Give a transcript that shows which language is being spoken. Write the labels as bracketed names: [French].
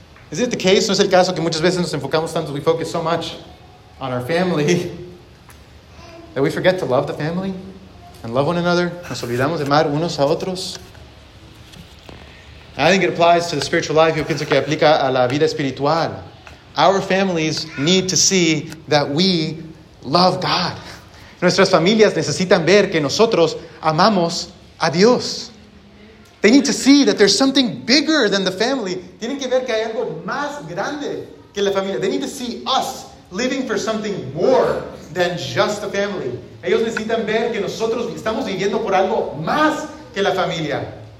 [English] Is it the case? [Spanish] No es el caso que muchas veces nos enfocamos tanto, [English] we focus so much on our family, that we forget to love the family and love one another. [Spanish] Nos olvidamos de amar unos a otros. [English] I think it applies to the spiritual life. [Spanish] Yo pienso que aplica a la vida espiritual. [English] Our families need to see that we love God. [Spanish] Nuestras familias necesitan ver que nosotros amamos a Dios. [English] They need to see that there's something bigger than the family. [Spanish] Tienen que ver que hay algo más grande que la familia. [English] They need to see us living for something more than just the family. [Spanish] Ellos necesitan ver que nosotros estamos viviendo por algo más que la familia.